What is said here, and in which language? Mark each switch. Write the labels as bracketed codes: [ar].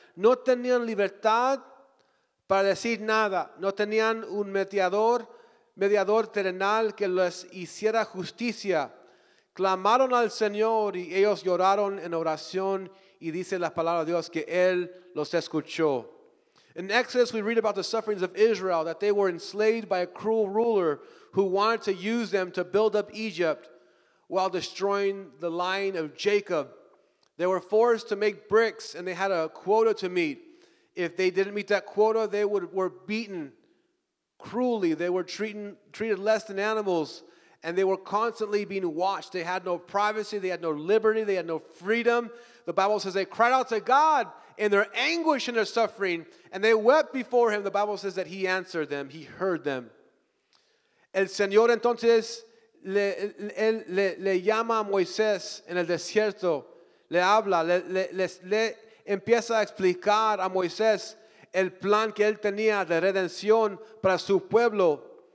[es] No tenían libertad para decir nada. No tenían un mediador terrenal que les hiciera justicia. Clamaron al Señor y ellos lloraron en oración y dice la palabra de Dios que Él los escuchó. [en] In Exodus we read about the sufferings of Israel, that they were enslaved by a cruel ruler who wanted to use them to build up Egypt while destroying the line of Jacob. They were forced to make bricks and they had a quota to meet. If they didn't meet that quota, they were beaten cruelly. They were treated less than animals. And they were constantly being watched. They had no privacy. They had no liberty. They had no freedom. The Bible says they cried out to God in their anguish and their suffering. And they wept before him. The Bible says that he answered them. He heard them. [es] El Señor entonces le llama a Moisés en el desierto. Le habla. Le empieza a explicar a Moisés el plan que él tenía de redención para su pueblo.